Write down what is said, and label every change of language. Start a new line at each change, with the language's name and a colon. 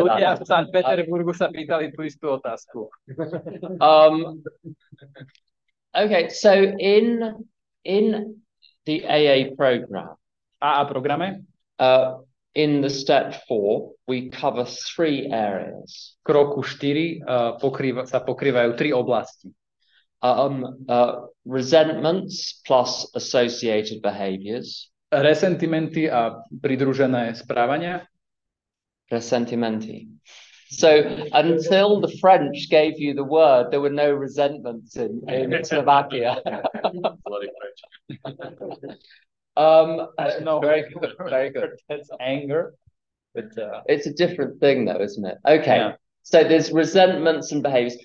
Slovak: ľudia v San Petersburgu sa pýtali tú istú otázku.
English: Okay, so in the AA program,
Slovak: AA programe,
English: In the step 4, we cover 3 areas.
Slovak: V kroku 4 sa pokrývajú 3 oblasti.
English: Resentments plus associated behaviors.
Slovak: Resentimenty a pridružené správania. Resentimenty.
English: So until the French gave you the word, there were no resentments in Slovakia. Bloody French. No. Very good, very good. It's anger. But, it's a different thing though, isn't it? Okay, yeah. So there's resentments and behaviors.